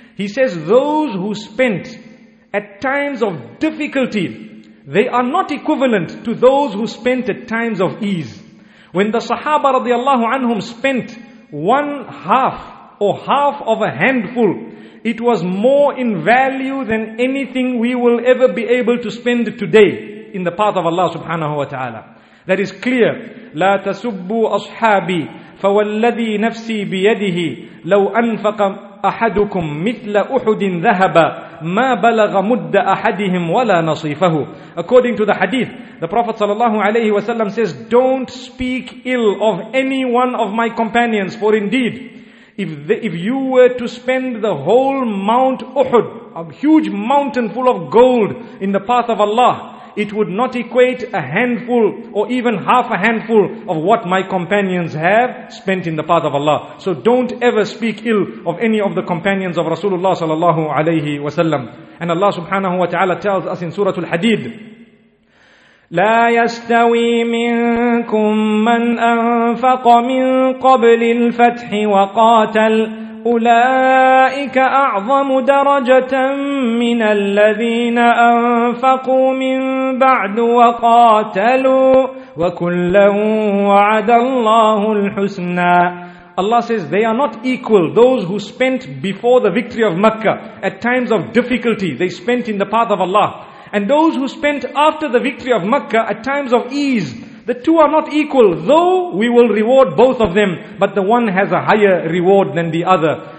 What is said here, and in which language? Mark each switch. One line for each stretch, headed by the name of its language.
English: He says, those who spent at times of difficulty, they are not equivalent to those who spent at times of ease. When the Sahaba radiallahu anhum spent one half or half of a handful, it was more in value than anything we will ever be able to spend today in the path of Allah subhanahu wa ta'ala. That is clear.
Arabic: لا تسبوا أصحابي فوالذي نفسي بيده لو أنفق أحدكم مثل أحد ذهبا ما بلغ مد أحدهم ولا نصيفه.
English: According to the hadith, the Prophet sallallahu alayhi wa sallam says, don't speak ill of any one of my companions, for indeed, if you were to spend the whole Mount Uhud, a huge mountain full of gold, in the path of Allah, it would not equate a handful or even half a handful of what my companions have spent in the path of Allah. So don't ever speak ill of any of the companions of Rasulullah sallallahu alayhi wa sallam. And Allah subhanahu wa ta'ala tells us in Surah Al-Hadid,
Arabic: لا يستوي منكم من أنفق من قبل الفتح وقاتل أولئك أعظم درجة من الذين أنفقوا من بعد وقاتلوا وكلا وعد الله الحسنى.
English: Allah says they are not equal, those who spent before the victory of Makkah at times of difficulty, they spent in the path of Allah, and those who spent after the victory of Makkah at times of ease, the two are not equal, though we will reward both of them, but the one has a higher reward than the other.